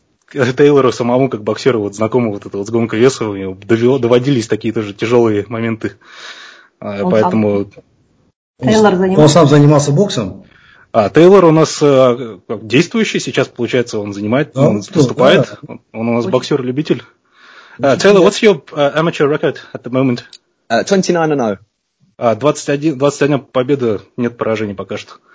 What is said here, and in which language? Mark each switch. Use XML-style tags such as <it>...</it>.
<ru>Тейлору самому, как боксеру, вот знакомо вот это вот с гонкой веса, у него доводились такие тоже тяжелые моменты, поэтому... Он сам занимался боксом? А Тейлор у нас действующий сейчас, получается, он занимает, да? Он выступает, да. Он у нас боксер-любитель.</ru> <en>Тейлор, what's your amateur record at the moment? 29-0.</en> <ru>21 победа, нет поражений пока что.</ru>